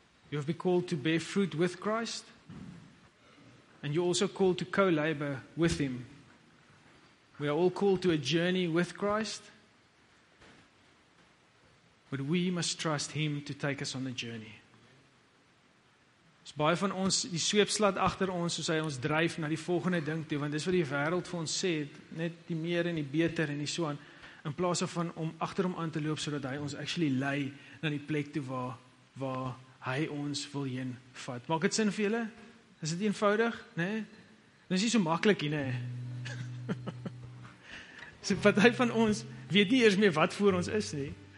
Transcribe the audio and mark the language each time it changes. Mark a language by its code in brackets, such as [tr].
[en] You have been called to bear fruit with Christ. And you're also called to co-labor with Him. We are all called to a journey with Christ. But we must trust Him to take us on the journey. [af] So baie van ons, die sweep slaat agter ons, soos hy ons dryf na die volgende ding toe, want dis wat die wêreld vir ons sê, net die meer en die beter en die so aan, in plaas van om agter hom aan te loop, sodat hy ons actually lei na die plek toe waar hy ons wil heen vat. Maak dit sin vir julle? Is dit eenvoudig? Nee? Dit is nie so makkelijk hier, nee. So party van ons weet nie eers meer wat voor ons is, nee.